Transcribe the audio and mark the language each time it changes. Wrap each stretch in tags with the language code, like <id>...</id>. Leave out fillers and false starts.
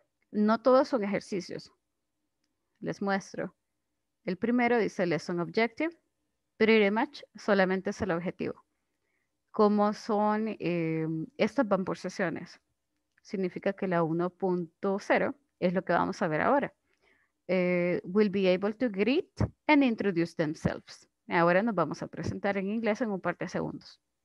<es>No todos son ejercicios. Les muestro. El primero dice Lesson Objective,</es> <en>Pretty Much</en> <es>solamente es el objetivo. ¿Cómo son? Estas van por sesiones. Significa que la 1.0 es lo que vamos a ver ahora.</es> <en>Will be able to greet and introduce themselves.</en> <es>Ahora nos vamos a presentar en inglés en un par de segundos.</es>